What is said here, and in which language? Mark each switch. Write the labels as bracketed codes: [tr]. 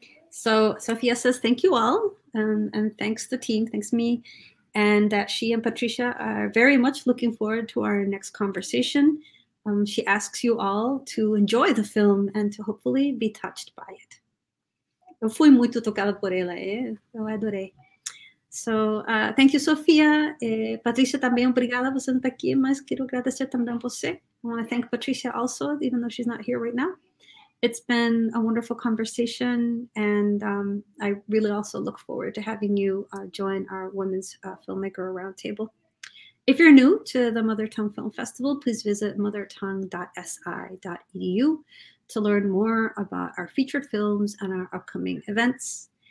[en] So Sophia says thank you all, and thanks the team, thanks me, and that she and Patricia are very much looking forward to our next conversation. She asks you all to enjoy the film and to hopefully be touched by it. [pt] Eu fui muito tocada por ela, eu adorei. [en] So thank you, Sophia. [pt] Patricia também, obrigada, você não está aqui, mas quero agradecer também a você. [en] I want to thank Patricia also, even though she's not here right now. It's been a wonderful conversation, and I really also look forward to having you join our Women's Filmmaker Roundtable. If you're new to the Mother Tongue Film Festival, please visit mothertongue.si.edu to learn more about our featured films and our upcoming events.